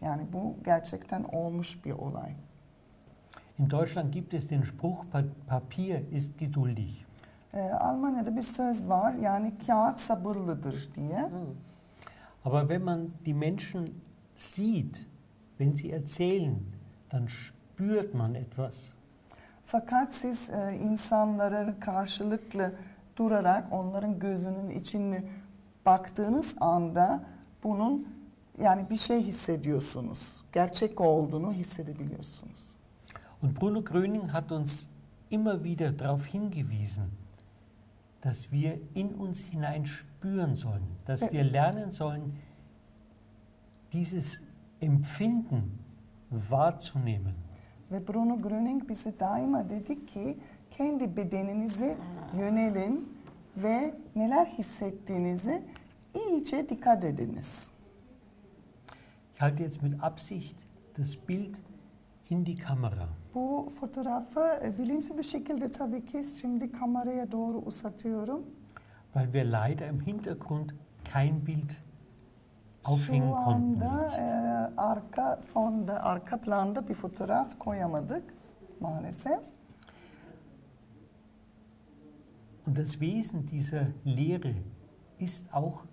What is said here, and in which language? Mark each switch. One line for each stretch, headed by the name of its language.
Turkish: Yani bu gerçekten olmuş bir olay.
German: In Deutschland gibt es den Spruch, Papier ist geduldig.
Turkish: Almanya'da bir söz var, yani kağıt sabırlıdır diye.
German: Aber wenn man die Menschen sieht, wenn sie erzählen, dann spürt man etwas.
Turkish: Fakat siz insanları karşılıklı durarak onların gözünün içine baktığınız anda bunun yani bir şey hissediyorsunuz. Gerçek olduğunu hissedebiliyorsunuz.
German: Und Bruno Gröning hat uns immer wieder darauf hingewiesen, dass wir in uns hinein spüren sollen, dass wir lernen sollen, dieses Empfinden wahrzunehmen.
Turkish: Ve Bruno Gröning bize daima dedi ki kendi bedeninize yönelin ve neler hissettiğinizi iyice dikkat ediniz.
German: Ich halte jetzt mit Absicht das Bild in die Kamera.
Turkish: Bu fotoğrafı bilinçli bir şekilde tabii ki şimdi kameraya doğru uzatıyorum.
German: Weil wir leider im Hintergrund kein Bild aufhängen konnten.
Turkish: Şu anda arka fonda, arka planda bir fotoğraf koyamadık maalesef.
German: Und das Wesen dieser Lehre ist auch